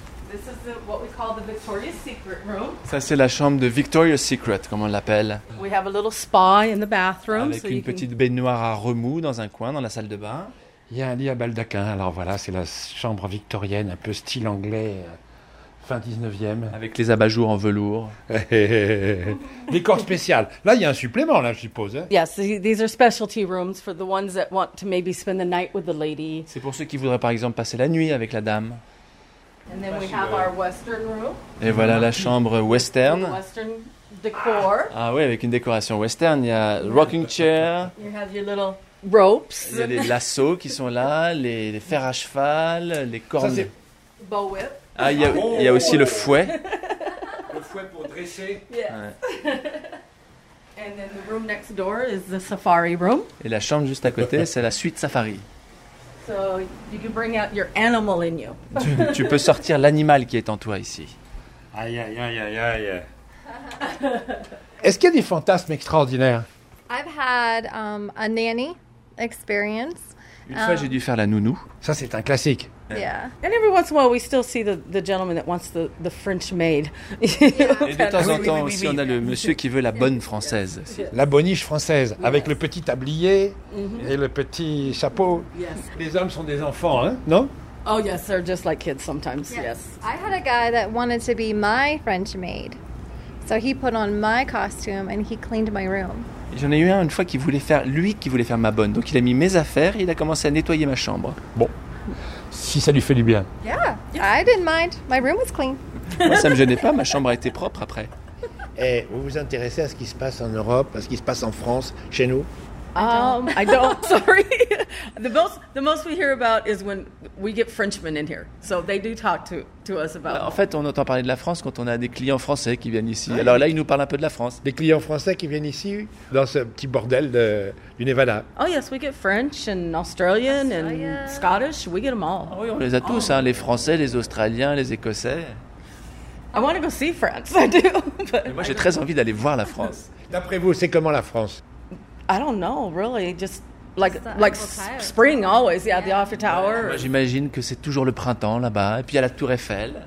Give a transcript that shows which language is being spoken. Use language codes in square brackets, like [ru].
[en] This is what we call the Victoria's Secret room. [fr] Ça c'est la chambre de Victoria's Secret, comme on l'appelle. [en] We have a little spa in the bathroom. [fr] Avec une petite baignoire à remous dans un coin, dans la salle de bain. Il y a un lit à baldaquin. Alors voilà, c'est la chambre victorienne, un peu style anglais. Fin 19e. Avec les abat-jour en velours. Décor spécial. Là, il y a un supplément, là, je suppose. Hein. [en] Yes, these are specialty rooms for the ones that want to maybe spend the night with the lady. [fr] C'est pour ceux qui voudraient, par exemple, passer la nuit avec la dame. [en] And then we have our western room. [fr] Et voilà la chambre western. [en] Western decor. [fr] Ah oui, avec une décoration western. Il y a rocking chair. [en] You have your little ropes. [fr] Il y a les lassos qui sont là, les fers à cheval, les cornes. Ça, c'est [en] bow whip. [fr] Ah, il y a, oh, y a aussi le fouet. Le fouet pour dresser. Yes. Ouais. [en] And then the room next door is the safari room. [fr] Et la chambre juste à côté, c'est la suite safari. [en] So you can bring out your animal in you. [fr] Tu peux sortir l'animal qui est en toi ici. Aïe, aïe, aïe, aïe, aïe. Est-ce qu'il y a des fantasmes extraordinaires? [en] I've had a nanny experience. [fr] Une fois, j'ai dû faire la nounou. Ça, c'est un classique. [en] Yeah. And every once in a while, we still see the gentleman that wants the French maid. Yeah. [fr] Et de temps en temps aussi, on a le monsieur qui veut la bonne française. La boniche française, yes. Avec le petit tablier, mm-hmm. et le petit chapeau. [en] Yes. [fr] Les hommes sont des enfants, hein? Non? [en] Oh yes, they're just like kids sometimes, yes. I had a guy that wanted to be my French maid. So he put on my costume and he cleaned my room. [fr] J'en ai eu un une fois qui voulait faire, lui qui voulait faire ma bonne. Donc il a mis mes affaires et il a commencé à nettoyer ma chambre. Bon. Si ça lui fait du bien. [en] Yeah, I didn't mind. My room was clean. [fr] Moi, ça ne me gênait pas. Ma chambre a été propre après. Et vous vous intéressez à ce qui se passe en Europe, à ce qui se passe en France, chez nous? [en] I don't. Sorry. The most we hear about is when we get Frenchmen in here. So they do talk to us about. [fr] En fait, on entend parler de la France quand on a des clients français qui viennent ici. Ouais. Alors là, ils nous parlent un peu de la France. Des clients français qui viennent ici dans ce petit bordel du Nevada. [en] Oh yes, we get French and Australian and Scottish. We get them all. [fr] Oh, oui, on les a tous, hein, les Français, les Australiens, les Écossais. [en] I want to go see France. I do. [fr] Moi, j'ai très envie d'aller voir la France. D'après vous, c'est comment la France? [en] I don't know, really. Just like spring always. Yeah, the Eiffel Tower. [fr] Moi, j'imagine que c'est toujours le printemps là-bas. Et puis, il y a la Tour Eiffel.